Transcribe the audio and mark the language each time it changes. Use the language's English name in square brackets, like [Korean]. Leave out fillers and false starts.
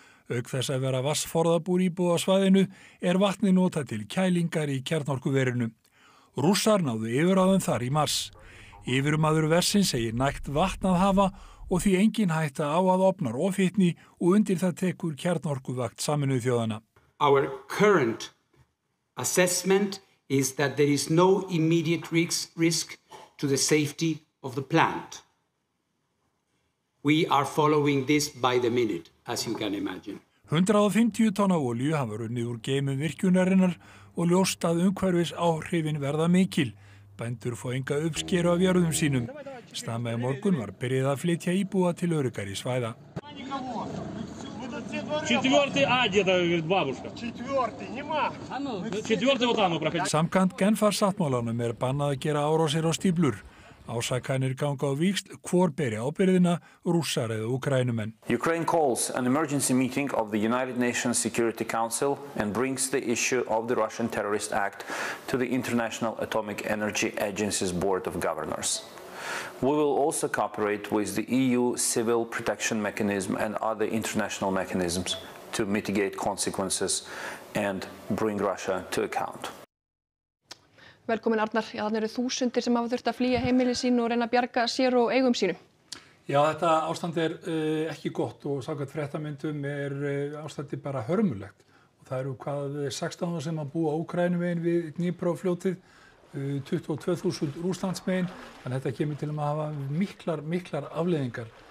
[Icelandic] Auk þess að vera vatnsforðabúr íbúða svæðinu er vatni notað til kælingar í kjarnorkuverinu. Rússar náðu yfirráðum þar í mars. Yfirmaður versin segir nægt vatn að hafa og því engin hætta á að opnar ofhitni og undir það tekur kjarnorkuvakt Sameinuðu þjóðanna. [English] Our current assessment is that there is no immediate risk to the safety of the plant. We are following this by the minute, as you can imagine. [Icelandic] 150 tonna olíu hafa runnið úr geymum virkjunarinnar og ljóst að umhverfis áhrifin verða mikil. Bændur fá enga uppskeru af jörðum sínum. Snemma í morgun var byrjað að flytja íbúa til öruggari svæða. Samkvæmt Genfarsáttmálanum er bannað að gera árásir á stíflur. Ásakanir ganga á víxl hvor beri ábyrðina, rússar eða Úkraínumenn. [English] Ukraine calls an emergency meeting of the United Nations Security Council and brings the issue of the Russian Terrorist Act to the International Atomic Energy Agency's Board of Governors. We will also cooperate with the EU Civil Protection Mechanism and other international mechanisms to mitigate consequences and bring Russia to account. [Icelandic] Velkomin Arnar. Já, þannig eru þúsundir sem hafa þurft að flýja heimili sín og reyna að bjarga sér og eigum sínu. Já, þetta ástand er ekki gott og samkvæmt fréttamyndum er ástandi bara hörmulegt. Og það eru hvað 16 sem að búa á Úkraínu megin við Dnipro-fljótið, 22.000 Rússlands megin, en þetta kemur til að hafa miklar afleiðingar.